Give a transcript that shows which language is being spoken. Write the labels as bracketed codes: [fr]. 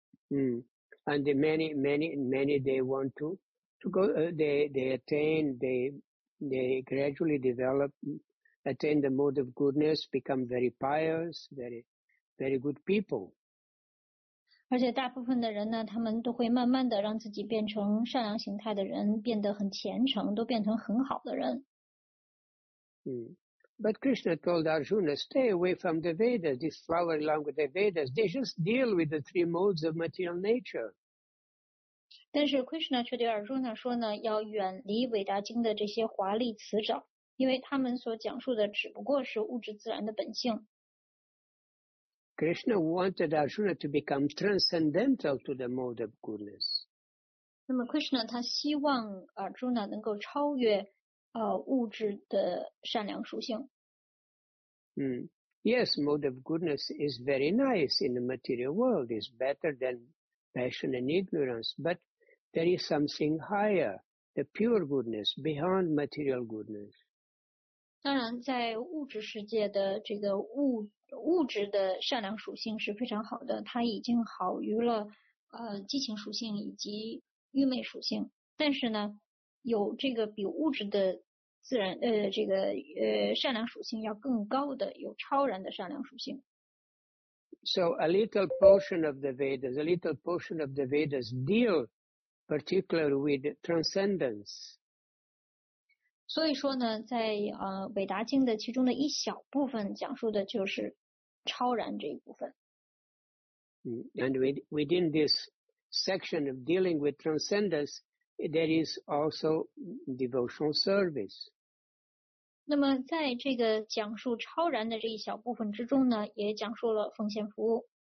[en] And many they want to go they gradually attain the mode of goodness, become very pious, very very good people. [zh] 而且大部分的人呢，他们都会慢慢的让自己变成善良形态的人，变得很虔诚，都变成很好的人。 [en] But Krishna told Arjuna, stay away from the Vedas, this flower along with the Vedas, they just deal with the three modes of material nature. [zh] 但是 Krishna 却对 Arjuna 说呢，要远离伟达经的这些华丽辞藻，因为他们所讲述的只不过是物质自然的本性。 [en] Krishna wanted Arjuna to become transcendental to the mode of goodness. [zh] 那么 Krishna 他希望 Arjuna 能够超越物质的善良属性。 [en] Yes, mode of goodness is very nice in the material world. It's better than passion and ignorance. But there is something higher, the pure goodness beyond material goodness. [zh] 当然在物质世界的这个物质的善良属性是非常好的，它已经好于了激情属性以及愚昧属性，但是呢有这个比物质的自然善良属性要更高的，有超然的善良属性。 [en] So a little portion of the Vedas deal particularly with transcendence. [zh] 所以说呢，在北达经的其中的一小部分讲述的就是超然这一部分。 [en] And within this section of dealing with transcendence, there is also devotional service. [zh] 那么在这个讲述超然的这一小部分之中呢，也讲述了奉献服务。